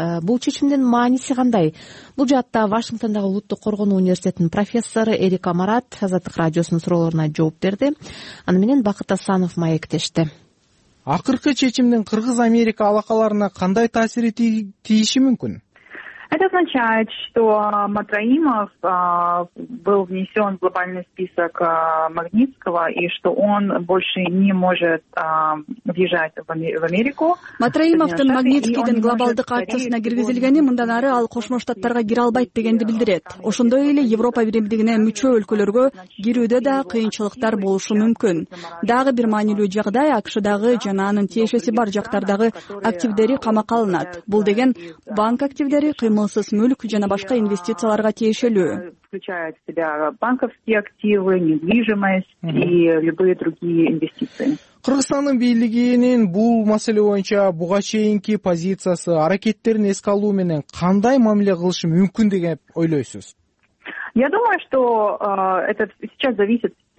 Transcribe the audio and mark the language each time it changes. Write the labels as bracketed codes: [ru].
[ky] Бул чечимдин мааниси кандай? Бул жаатта Вашингтондагы улуттук коргоо университетинин профессору Эрика Марат Азаттык радиосунун суроолоруна жооп берди. Аны менен Бакыт Асанов маектешти. Акыркы чечимдин кыргыз Америка алакаларына кандай таасири тийиши мүмкүн? [ru] Это означает, что Матраимов был внесен в глобальный список Магнитского и что он больше не может въезжать в Америку. [ky] Матраимовдун Магнитскийдин глобалдык акциясына киргизилгени мындан ары ал Кошмо Штаттарга кире албайт дегенди билдирет. Ошондой эле Европа биримдигине мүчө өлкөлөргө кирүүдө да кыйынчылыктар болушу мүмкүн. Дагы бир маанилүү жагдай АКШдагы жана анын тиешеси бар жактардагы активдери камакка алынат. Бул деген банк активдери кыймылсыз мүлк жана башка инвестицияларга тиешелүү. [ru] Включает в себя банковские активы, недвижимость и любые другие инвестиции. [ky] Кыргызстандын бийлигинин бул маселе боюнча буга чейинки позициясы, аракеттерин эске алуу менен кандай мамиле кылышы мүмкүн деп ойлойсуз? [ru] Я думаю, что это сейчас зависит